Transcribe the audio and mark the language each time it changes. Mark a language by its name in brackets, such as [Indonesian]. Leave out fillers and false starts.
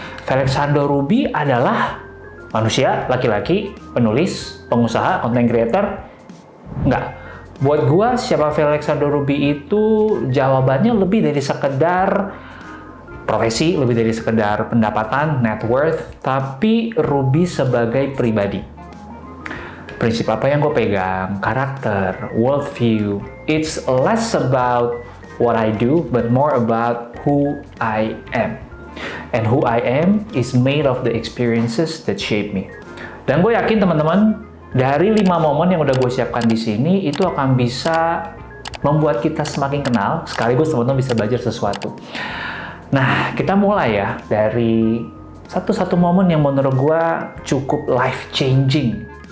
[Indonesian] Felix Sando Rubi adalah manusia, laki-laki, penulis, pengusaha, konten creator. Enggak. Buat gue, siapa Felix Sando Rubi itu jawabannya lebih dari sekedar profesi, lebih dari sekedar pendapatan, net worth, tapi Ruby sebagai pribadi. Prinsip apa yang gue pegang? Karakter, world view. [English] It's less about what I do, but more about who I am. And who I am is made of the experiences that shape me. [Indonesian] Dan gue yakin teman-teman, dari 5 momen yang udah gue siapkan di sini, itu akan bisa membuat kita semakin kenal, sekaligus teman-teman bisa belajar sesuatu. Nah, kita mulai ya dari satu-satu momen yang menurut gue cukup life-changing.